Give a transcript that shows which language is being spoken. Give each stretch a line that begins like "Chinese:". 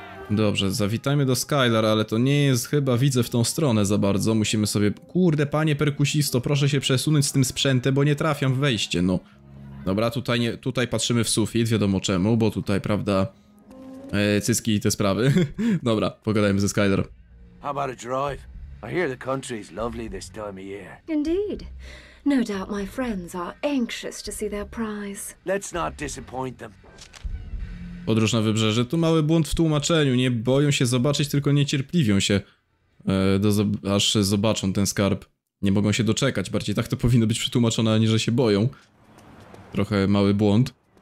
Polish: Dobrze, zawitajmy do Skylar, ale to nie jest chyba, widzę w tą stronę za bardzo. Musimy sobie... Kurde, panie perkusisto, proszę się przesunąć z tym sprzętem, bo nie trafiam w wejście, no. Dobra, tutaj nie, tutaj patrzymy w sufit, wiadomo czemu, bo tutaj, prawda... cyski i te sprawy. Dobra, pogadajmy ze Skylar.
English: How about a drive? I hear the country is lovely this time of year. Indeed. No doubt my friends are anxious to see their prize. Let's not disappoint them.
Polish: Podróż na wybrzeże. Tu mały błąd w tłumaczeniu. Nie boją się zobaczyć, tylko niecierpliwią się, aż zobaczą ten skarb. Nie mogą się doczekać. Bardziej tak to powinno być przetłumaczone, aniżeli że się boją. Trochę mały błąd.